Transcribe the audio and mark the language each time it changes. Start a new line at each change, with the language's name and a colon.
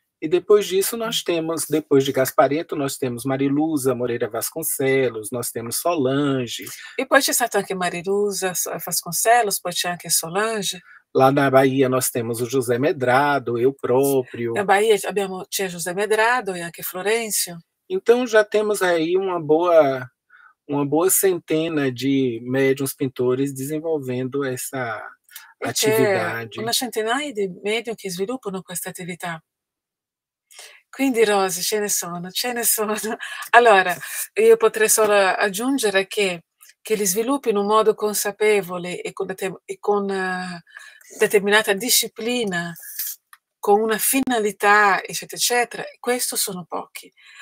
Portuguese: E depois disso nós temos, depois de Gasparetto, nós temos Mariluza, Moreira Vasconcelos, nós temos Solange.
Italian: E poi c'è stato anche Marilusa Vasconcelos, poi c'è anche Solange.
Portuguese: Lá na Bahia nós temos o José Medrado, eu Na próprio.
Italian: Bahia c'è José Medrado e anche Florencio.
Portuguese: Então já temos aí uma boa centena de médiuns pintores desenvolvendo essa
Italian: E c'è
Portuguese: atividade.
Italian: una centinaia di medium che sviluppano questa attività. Quindi, Rose, ce ne sono, ce ne sono. Allora, io potrei solo aggiungere che li sviluppi in un modo consapevole e con determinata disciplina, con una finalità, eccetera, eccetera, questo sono pochi.